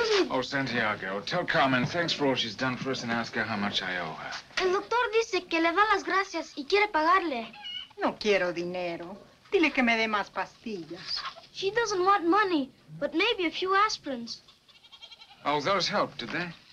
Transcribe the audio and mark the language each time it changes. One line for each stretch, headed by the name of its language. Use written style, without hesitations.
English: Oh, Santiago, tell Carmen thanks for all she's done for us and ask her how much I owe her.
Spanish: El doctor dice que le da las gracias y quiere pagarle. No quiero dinero. Dile que me dé más pastillas.
English: She doesn't want money, but maybe a few aspirins. Oh, those helped, did they?